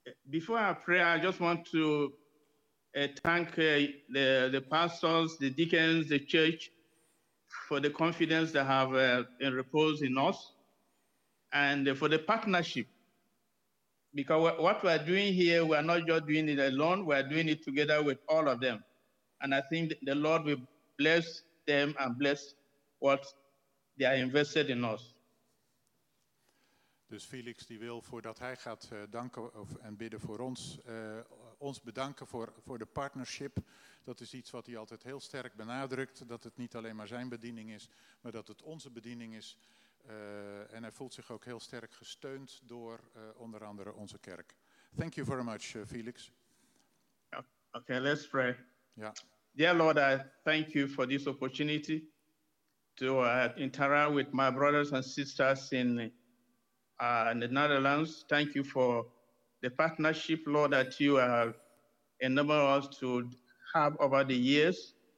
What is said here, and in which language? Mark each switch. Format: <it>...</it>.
<en>Before I pray, I just want to thank the pastors, the deacons, the church for the confidence they have in repose in us and for the partnership. Because what we're doing here, we're not just doing it alone, we're doing it together with all of them. And I think the Lord will bless them and bless what they are invested in us.</en> <nl>Dus Felix die wil, voordat hij gaat danken of, en bidden voor ons, ons bedanken voor de partnership. Dat is iets wat hij altijd heel sterk benadrukt, dat het niet alleen maar zijn bediening is, maar dat het onze bediening is. En hij voelt zich ook heel sterk gesteund door onder andere onze kerk.</nl> <en>Thank you very much, Felix. Okay, let's pray. Yeah. Dear Lord, I thank you for this opportunity to interact with my brothers and sisters in the Netherlands. Thank you for the partnership, Lord, that you have enabled us to have over the years.</en>